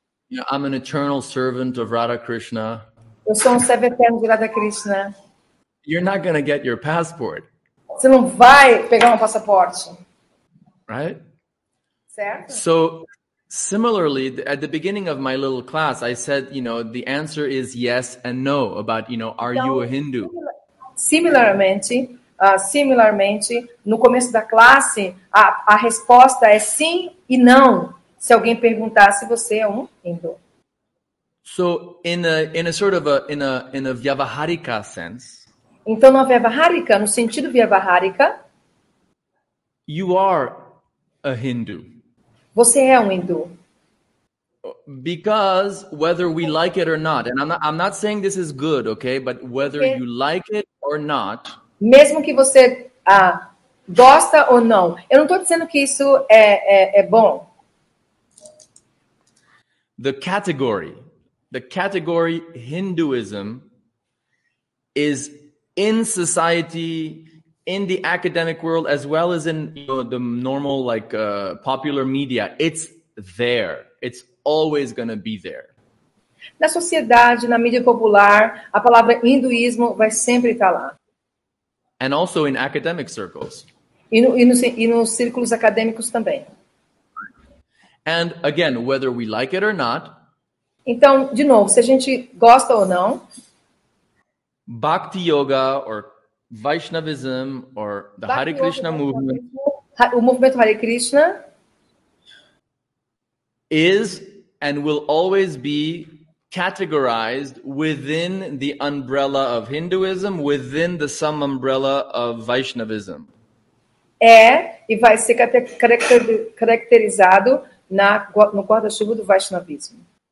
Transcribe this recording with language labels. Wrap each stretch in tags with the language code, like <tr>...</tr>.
<en>You know, I'm an eternal servant of Radha Krishna.</en> <pt>Eu sou um servo eterno de Radha Krishna.</pt> <en>You're not going to get your passport.</en> <pt>Você não vai pegar um passaporte.</pt> <en>Right?</en> <pt>Certo?</pt> <en>So, similarly, at the beginning of my little class, I said, you know, the answer is yes and no about, you know, are you a Hindu?</en> <pt>Similarmente, no começo da classe, a resposta é sim e não, se alguém perguntar se você é um Hindu.</pt> <en>So, in a Vyavaharika sense,</en> <pt>então, na Vyavaharika, no sentido Vyavaharika,</pt> <en>you are a Hindu.</en> <pt>Você é um hindu.</pt> <en>Because whether we like it or not, and I'm not saying this is good, okay? But whether you like it or not.</en> <pt>Mesmo que você gosta ou não. Eu não estou dizendo que isso é bom.</pt> <en>The category Hinduism is in society, in the academic world, as well as in, you know, the normal, like, popular media, it's there. It's always going to be there.</en> <pt>Na sociedade, na mídia popular, a palavra hinduísmo vai sempre estar lá.</pt> <en>And also in academic circles.</en> <pt>E nos círculos acadêmicos também.</pt> <en>And again, whether we like it or not.</en> <pt>Então, de novo, se a gente gosta ou não.</pt> <en>Bhakti yoga or Vaishnavism or the Hare Krishna movement.</en> <pt>O movimento Hare Krishna</pt> <en>is and will always be categorized within the umbrella of Hinduism, within the sum umbrella of Vaishnavism.</en> <pt>É e vai ser caracterizado no guarda-chuva do Vaishnavismo.</pt>